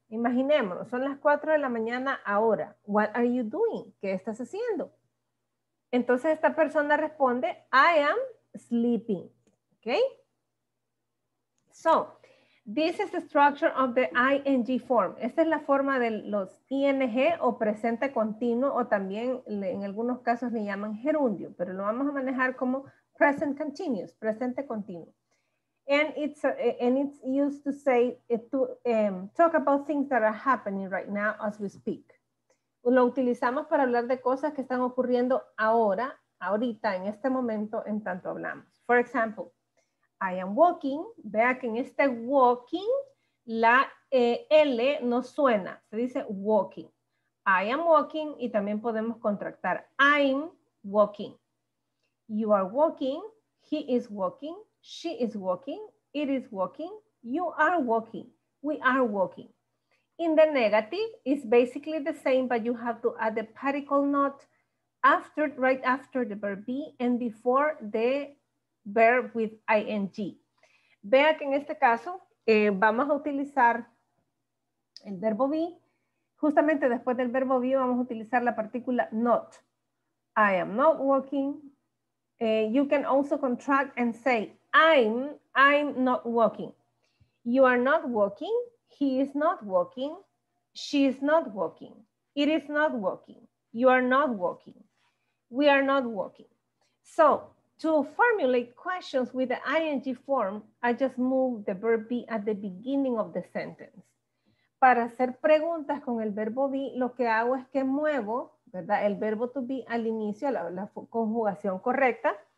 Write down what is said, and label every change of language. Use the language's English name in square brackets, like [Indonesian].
[Spanish] Imaginémonos, son las 4 de la mañana ahora. [English] What are you doing? [Spanish] ¿Qué estás haciendo? Entonces esta persona responde, [English] I am sleeping. [Spanish] Okay? [English] So, this is the structure of the ing form. [Spanish] Esta es la forma de los ing o presente continuo o también en algunos casos le llaman gerundio, pero lo vamos a manejar como present continuous, presente continuo. [English] And it's used to say talk about things that are happening right now as we speak. [Spanish] Lo utilizamos para hablar de cosas que están ocurriendo ahora, ahorita, en este momento, en tanto hablamos. [English] For example, I am walking. [Spanish] Vea que en este walking la L no suena, se dice walking. [English] I am walking [Spanish] y también podemos contractar [English] I'm walking. You are walking, he is walking. She is walking, it is walking, you are walking, we are walking. In the negative, it's basically the same, but you have to add the particle not after, right after the verb be and before the verb with ing. [Spanish] Vea que en este caso, vamos a utilizar el verbo be. Justamente después del verbo be, vamos a utilizar la partícula not. [English] I am not walking. You can also contract and say, I'm not walking. You are not walking. He is not walking. She is not walking. It is not walking. You are not walking. We are not walking. So to formulate questions with the ing form, I just move the verb be at the beginning of the sentence. [Spanish] Para hacer preguntas con el verbo be, lo que hago es que muevo, ¿verdad? El verbo to be al inicio, la conjugación correcta.